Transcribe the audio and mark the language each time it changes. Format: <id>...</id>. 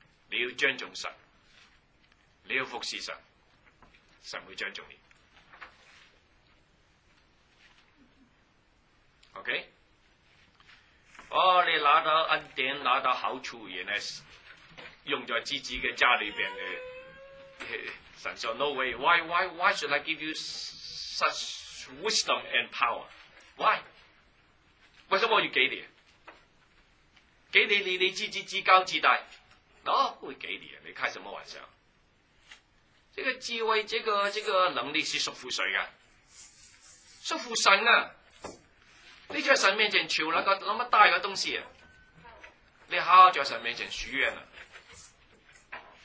<zh>你要尊重神，你要服侍神，神会尊重你。 OK？哦，你拿到恩典，拿到好处，原来用在自己的家里边的。神说 ：</zh> <en>“No way. Why should I give you such wisdom and power? Why?”</en> <zh>为什么我要给你？给你你自己自高自大，那、哦、会给你？你开什么玩笑？这个智慧，这个能力是属乎谁啊？属乎神啊！你在神面前求那个那么大的东西、啊，你好好在神面前许愿了、啊。</zh>